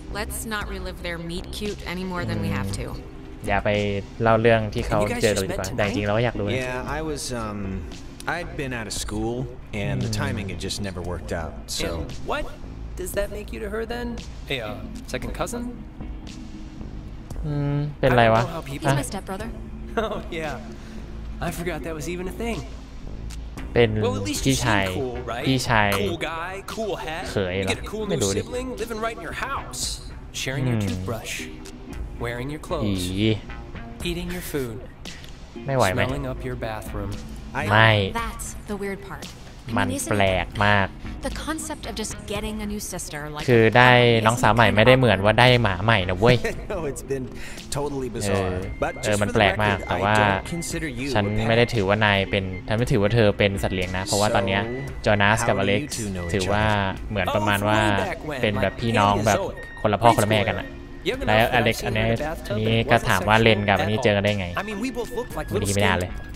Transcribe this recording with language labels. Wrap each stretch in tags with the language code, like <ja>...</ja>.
<en>Let's not relive their meet cute any more than we have to.</en> <th>อย่าไปเล่าเรื่องที่เขาเจอเลยดีกว่าแต่จริงเราก็อยากรู้นะ</th> <en>Yeah, I was I'd been out of school and the timing had just never worked out. So what does that make you to her then? Hey, second cousin?</en> <th>เป็นไรวะ</th> <en>He's my stepbrother. Oh yeah, I forgot that was even a thing.</en> <th>เป็นพี่ชาย</th> <en>cool guy, cool hat.</en> <th>เขยเหรอ</th> <en>You get a cool new sibling living right in your house, sharing your toothbrush, wearing your clothes, eating your food, smelling up your bathroom.</en> <th>ไม่</th> <en>That's the weird part.</en> <th>มันแปลกมาก</th> <en>The concept of just getting a new sister like</en> <th>คือได้น้องสาวใหม่ไม่ได้เหมือนว่าได้หมาใหม่นะเว้ย</th> <en>It's been totally bizarre.</en> <th>มันแปลกมากแต่ว่าฉันไม่ได้ถือว่านายเป็นฉันไม่ถือว่าเธอเป็นสัตว์เลี้ยงนะเพราะว่าตอนเนี้ยจอนาสกับอเล็กซ์ถือว่าเหมือนประมาณว่าเป็นแบบพี่น้องแบบคนละพ่อคนละแม่กันอะแล้วอเล็กซ์อันนี้ก็ถามว่าเลนกับอันนี้เจอกันได้ไงดีไม่ได้เลย</th>